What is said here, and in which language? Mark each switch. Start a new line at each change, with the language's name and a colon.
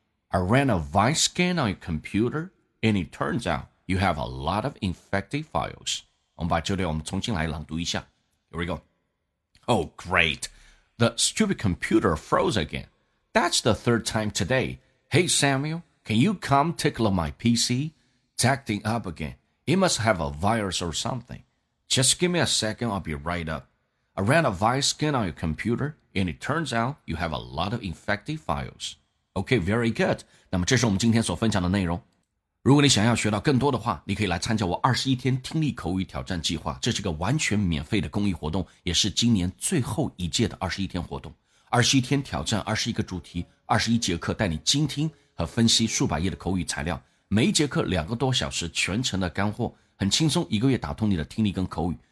English: I ran a virus scan on your computer, and it turns out you have a lot of infected files.
Chinese: 我们把这里我们重新来朗读一下。
English: Here we go. Oh, great. The stupid computer froze again. That's the third time today. Hey, Samuel, can you come take a look at my PC? It's acting up again. It must have a virus or something. Just give me a second, I'll be right up. I ran a virus scan on your computer, and it turns out you have a lot of infected files. Okay, very good.
Chinese: 那么这是我们今天所分享的内容。如果你想要学到更多的话，你可以来参加我21天听力口语挑战计划，这是个完全免费的公益活动，也是今年最后一届的21天活动。 21天挑战21个主题，21节课带你精听和分析数百页的口语材料，每一节课两个多小时，全程的干货，很轻松，一个月打通你的听力跟口语。